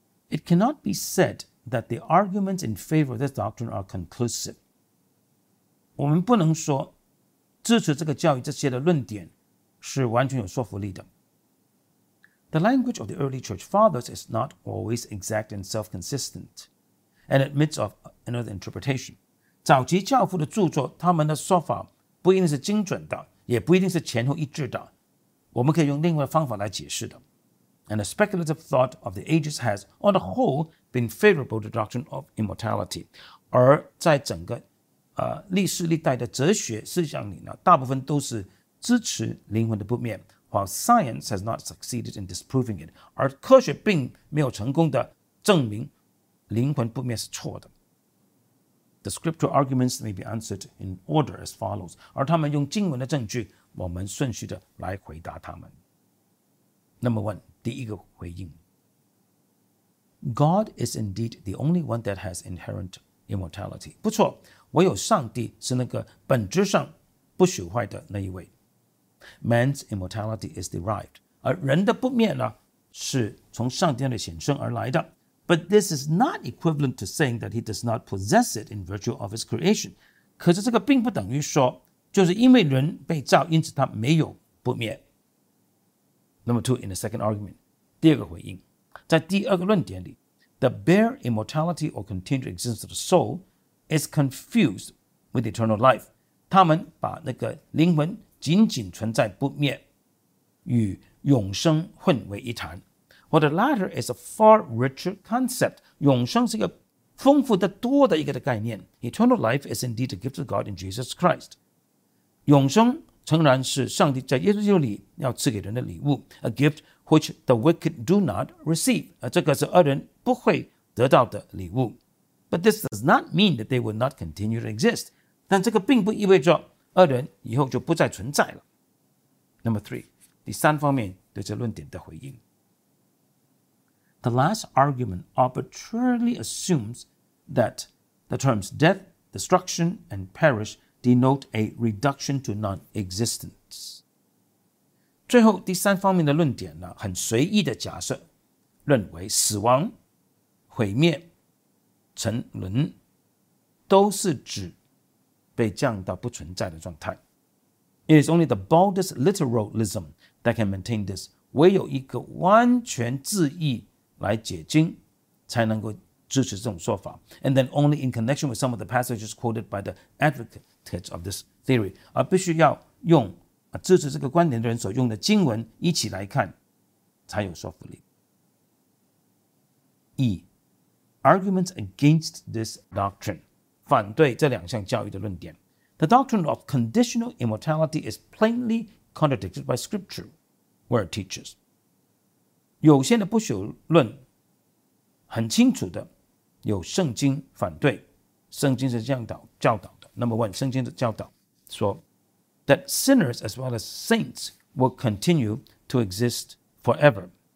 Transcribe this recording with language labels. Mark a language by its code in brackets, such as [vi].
[en] It cannot be said that the arguments in favor of this doctrine are conclusive. [zh] 我们不能说支持这个教义这些的论点是完全有说服力的。 [en] The language of the early church fathers is not always exact and self-consistent and admits of another interpretation. [zh] 早期教父的著作他们的说法不一定是精准的，也不一定是前后一致的，我们可以用另外的方法来解释的。 [en] And the speculative thought of the ages has, on the whole,been favorable to the doctrine of immortality. [zh] 而在整个历史历代的哲学思想里呢，大部分都是支持灵魂的不灭。 [en] While science has not succeeded in disproving it, [zh] 而科学并没有成功的证明灵魂不灭是错的。 [en] The scriptural arguments may be answered in order as follows. [zh] 而他们用经文的证据，我们顺序的来回答他们。 [en] Number one， [zh] 第一个回应。 [en] God is indeed the only one that has inherent immortality. [zh] 不错，唯有上帝是那个本质上不朽坏的那一位。 [en] Man's immortality is derived. [zh] 而人的不灭呢，是从上帝的显圣而来的。 [en] But this is not equivalent to saying that he does not possess it in virtue of his creation. [zh] 可是这个并不等于说，就是因为人被造，因此他没有不灭。 [en] Number two, in the second argument, [zh] 第二个回应。在第二个论点里 [en] The bare immortality or continued existence of the soul is confused with eternal life. [zh] 他们把那个灵魂仅仅存在不灭与永生混为一谈。 [en] Well, the latter is a far richer concept. [zh] 永生是一个丰富的多的一个的概念。 [en] Eternal life is indeed a gift of God in Jesus Christ. [zh] 永生诚然是上帝在耶稣基督里要赐给人的礼物， [en] a gift which the wicked do not receive， [zh] 这个是恶人不会得到的礼物。 [en] But this does not mean that they will not continue to exist， [zh] 但这个并不意味着恶人以后就不再存在了。 [en] Number three， [zh] 第三方面对这论点的回应。 [en] The last argument arbitrarily assumes that the terms death, destruction and perish denote a reduction to non-existence。 [zh] 最后第三方面的论点呢，很随意的假设认为死亡、毁灭、沉沦都是指被降到不存在的状态。 [en] It is only the baldest literalism that can maintain this， [zh] 唯有一个完全字义来解经才能够支持这种说法。 [en] And then only in connection with some of the passages quoted by the advocates of this theory， [zh] 而必须要用支持这个观点的人所用的经文一起来看才有说服力。 [en] E. Arguments against this doctrine， [zh] 反对这两项教育的论点。 [en] The doctrine of conditional immortality is plainly contradicted by scripture where it teaches。 [zh] 有限的不朽论很清楚的有圣经反对，圣经是这样教导的。 [en] Number one， [zh] 圣经的教导说 [en] That sinners as well as saints will continue to exist forever.